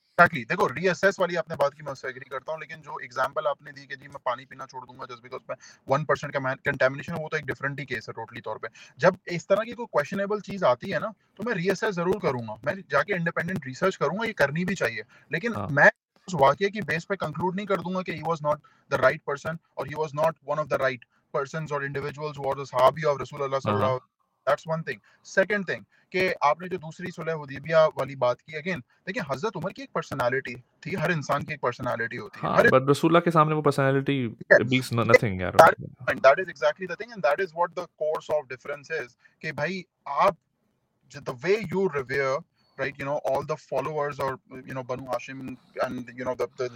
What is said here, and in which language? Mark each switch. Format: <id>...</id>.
<en>Exactly.</en> <hi>देखो reassess वाली आपने बात की मैं उससे agree करता हूँ, लेकिन जो example आपने दी कि जी मैं पानी पीना छोड़ दूंगा just because 1% का contamination है, वो तो एक different ही case है totally तौर पे. जब इस तरह की कोई questionable चीज आती है ना, तो मैं reassess जरूर करूंगा, मैं जाके independent research करूंगा, ये करनी भी चाहिए. लेकिन मैं उस वाक्य की बेस पे conclude नहीं कर दूंगा कि</hi> <en>he was not the right person or he was not one of the right persons or individuals who are the sahabi of Rasulullah sallallahu alaihi wasallam. That's one thing. Second thing,</en> <hi>कि आपने जो दूसरी सुलह हुदैबिया वाली बात की, again देखिए हजरत उमर की एक पर्सनालिटी थी, हर इंसान की एक पर्सनालिटी होती है, बट रसूलुल्लाह के सामने वो पर्सनालिटी</hi> <en>Is nothing यार. That is exactly the thing and that is what the course of difference is, कि भाई आप the way you revere right you know all the followers और you know Banu Hashim and you know the</en>